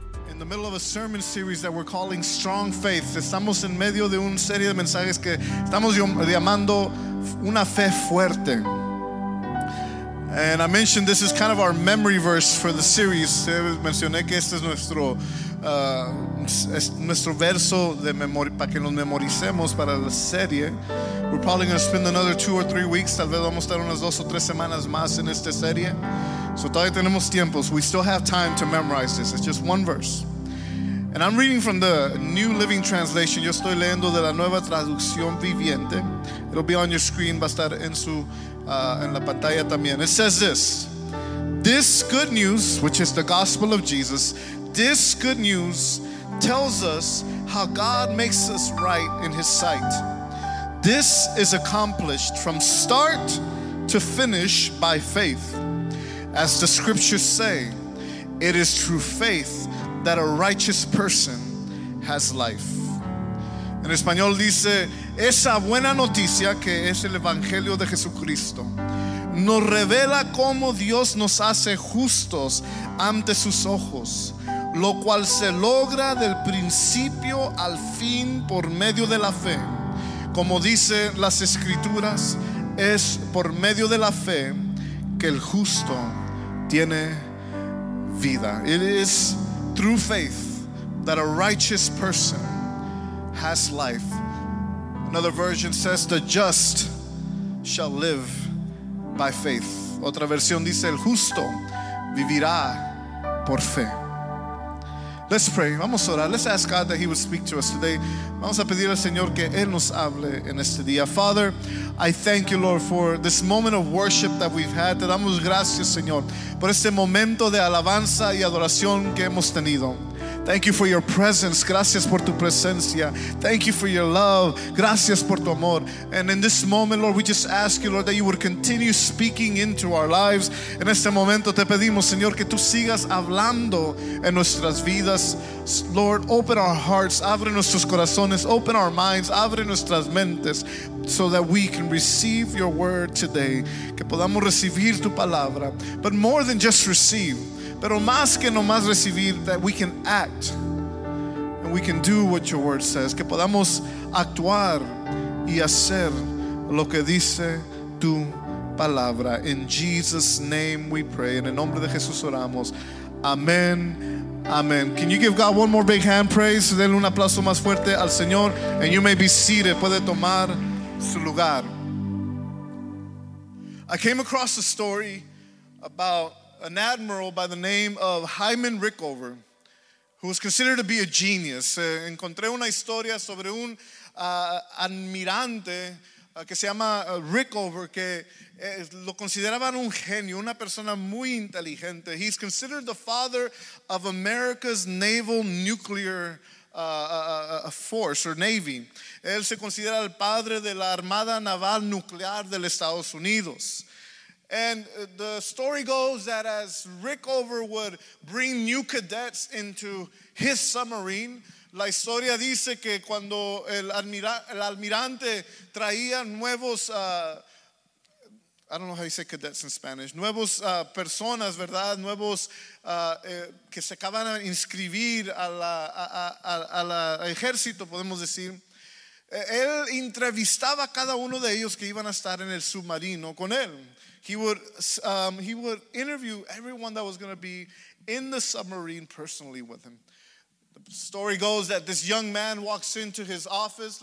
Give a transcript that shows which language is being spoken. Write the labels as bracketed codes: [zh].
[en] In the middle of a sermon series that we're calling Strong Faith, [es] estamos en medio de una serie de mensajes que estamos llamando Una Fe Fuerte. [en] And I mentioned this is kind of our memory verse for the series. [es] Mencioné que este es nuestro verso de memoria para que nos memoricemos para la serie. [en] We're probably going to spend another 2 or 3 weeks. [es] Tal vez vamos a estar unas 2 o 3 semanas más en esta serie. So todavía tenemos tiempos. [en] We still have time to memorize this. It's just one verse. And I'm reading from the New Living Translation. [es] Yo estoy leyendo de la Nueva Traducción Viviente. [en] It'll be on your screen. [es] Va a estar en su en la pantalla también. [en] It says this: This good news, which is the gospel of Jesus, this good news tells us how God makes us right in His sight. This is accomplished from start to finish by faith. As the scriptures say, it is through faith that a righteous person has life. [es] En español dice, esa buena noticia que es el Evangelio de Jesucristo nos revela cómo Dios nos hace justos ante sus ojos, lo cual se logra del principio al fin por medio de la fe. Como dice las Escrituras, es por medio de la fe que el justo tiene vida. [en] It is through faith that a righteous person has life. Another version says, the just shall live by faith. [es] Otra versión dice, el justo vivirá por fe. [en] Let's pray. [es] Vamos a orar. [en] Let's ask God that He would speak to us today. [es] Vamos a pedir al Señor que Él nos hable en este día. [en] Father, I thank you, Lord, for this moment of worship that we've had. [es] Te damos gracias, Señor, por este momento de alabanza y adoración que hemos tenido. [en] Thank you for your presence. [es] Gracias por tu presencia. [en] Thank you for your love. [es] Gracias por tu amor. [en] And in this moment, Lord, we just ask you, Lord, that you would continue speaking into our lives. [es] En este momento te pedimos, Señor, que tú sigas hablando en nuestras vidas. [en] Lord, open our hearts. [es] Abre nuestros corazones. [en] Open our minds. [es] Abre nuestras mentes [en] so that we can receive your word today. [es] Que podamos recibir tu palabra. [en] But more than just receive, [es] pero más que nomás recibir, [en] that we can act and we can do what your word says. [es] Que podamos actuar y hacer lo que dice tu palabra. [en] In Jesus' name we pray. [es] En el nombre de Jesús oramos. Amen. Amen. [en] Can you give God one more big hand praise? [es] Denle un aplauso más fuerte al Señor. [en] And you may be seated. [es] Puede tomar su lugar. [en] I came across a story about an admiral by the name of Hyman Rickover, who was considered to be a genius. [es] Encontré una historia sobre un admirante que se llama Rickover, que lo consideraban un genio, una persona muy inteligente. [en] He's considered the father of America's naval nuclear force or navy. [es] Él se considera el padre de la armada naval nuclear de Estados Unidos. [en] And the story goes that as Rickover would bring new cadets into his submarine, [es] la historia dice que cuando el almirante traía nuevos, [en] I don't know how you say cadets in Spanish, [es] nuevos personas, ¿verdad? Nuevos que se acaban de inscribir a la ejército, podemos decir. Él entrevistaba a cada uno de ellos que iban a estar en el submarino con él. [en] He would interview everyone that was going to be in the submarine personally with him. The story goes that this young man walks into his office.